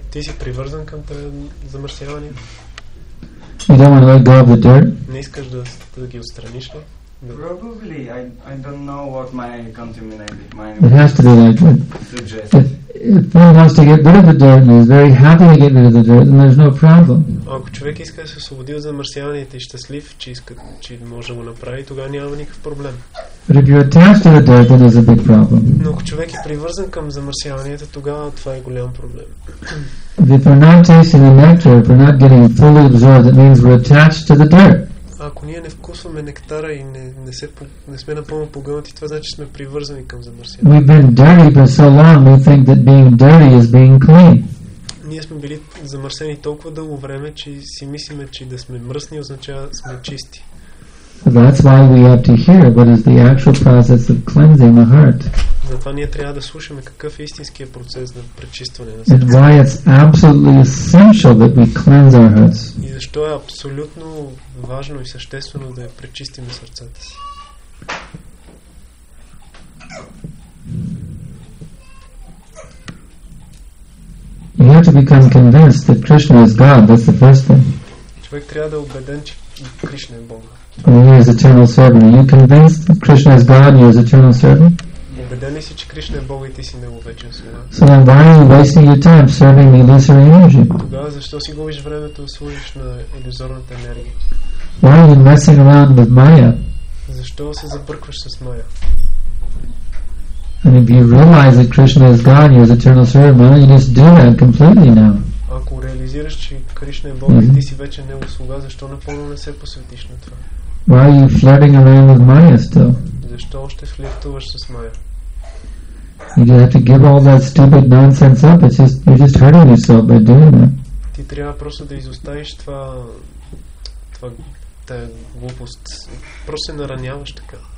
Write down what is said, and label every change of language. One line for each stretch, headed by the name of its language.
Bulgarian: Ти си привързан към това замърсяване?
English: You don't want to let go of the dirt?
Bulgarian: Не искаш да ги отстраниш ли?
English: Probably. I don't know what my contaminated mind suggests. It has to be like that. If one wants to get rid of the dirt and is very happy to get rid of the dirt, then there's no problem.
Bulgarian: Ако човек иска да се освободи от замърсяванията и щастлив, че може да го направи, тогава няма никакъв проблем.
English: But if you're attached to the dirt, then there's a big problem.
Bulgarian: Но ако човек е привързан към замърсяванията, тогава това е голям проблем.
English: If we're not tasting the nectar, if we're not getting fully absorbed, it means we're attached to the dirt.
Bulgarian: Ако ние не вкусваме нектара и не сме напълно погълнати, това значи сме привързани към замърсяването.
English: We've been dirty for so long, we think that being dirty is being clean.
Bulgarian: Ние сме били замърсени толкова дълго време, че си мислиме, че да сме мръсни означава сме чисти.
English: That's why we have to hear what is the actual process of cleansing the heart.
Bulgarian: Затова ние трябва да слушаме какъв е истинският процес на пречистване на сърцето.
English: And why it's absolutely essential that we cleanse our hearts.
Bulgarian: И защо е абсолютно важно и съществено да пречистим сърцата си.
English: You have to become convinced that Krishna is God. That's the first thing.
Bulgarian: Човек трябва да е убеден, че Кришна е Бог.
English: And he is eternal servant. Are you convinced that Krishna is God and he is eternal servant?
Bulgarian: Убеден ли си, че Кришна е Бог и ти си неговечен слуга?
English: So then why are you wasting your time serving the illusory energy?
Bulgarian: Тогава защо си губиш времето да служиш на иллюзорната енергия?
English: Why are you messing around with Maya?
Bulgarian: Защо се забъркваш с Maya?
English: And if you realize that Krishna is God and he is eternal servant, you just do that completely now.
Bulgarian: Ако реализираш, че Кришна е Бог и ти си вече негов слуга, защо напълно не се посветиш на това?
English: Why are you flirting around with Maya still?
Bulgarian: Защо още флиртуваш с Maya?
English: You just have to give all that stupid nonsense up. It's just you're just hurting yourself by doing that.
Bulgarian: Ти трябва просто да изоставиш това глупост. Просто се нараняваш така.